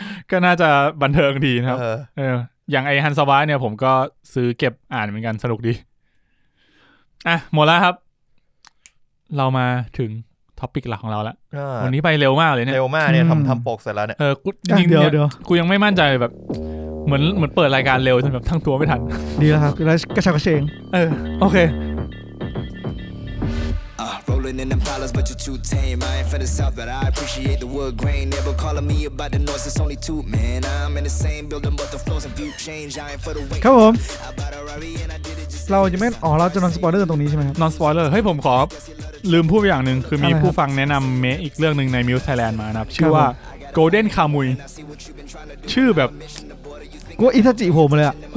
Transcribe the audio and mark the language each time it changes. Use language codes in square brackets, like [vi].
[th] ก็น่าจะบันเทิงดีนะครับอย่างไอฮันสวะเนี่ยผมก็ซื้อเก็บอ่านเหมือนกันสนุกดีอ่ะหมดแล้วครับเรามาถึงท็อปิกหลักของเราแล้ ววันนี้ไปเร็วมากเลยเนี่ ย เร็วมากเนี่ยทำปกเสร็จแล้วเนี่ย จริงเนี่ยกูยังไม่มั่นใจแบบเหมือนเปิดรายการเร็วจนแบบทั้งตัวไม่ทัน ดีแล้วครับแล้วกระชากระเชง [en] โอเคRolling in them palace, but you're too tame. I ain't from the south, but I appreciate the wood grain. Never calling me about the noise, it's only two, man. I'm in the same building, but the flows and view change. I ain't for the wait. [th] ครับผมเราจะไม่อ๋อเราจะนอนสปอยเลอร์ตรงนี้ใช่ไหมครับ นอนสปอยเลอร์เฮ้ยผมขอลืมพูดอย่างนึงคือมีผู้ฟังแนะนำเมอีกเรื่องนึงในมิวส์ไทยแลนด์มานะครับชื่อว่าโกลเด้นคามุยชื่อแบบ กูอิตาจิผมเลยอ่ะ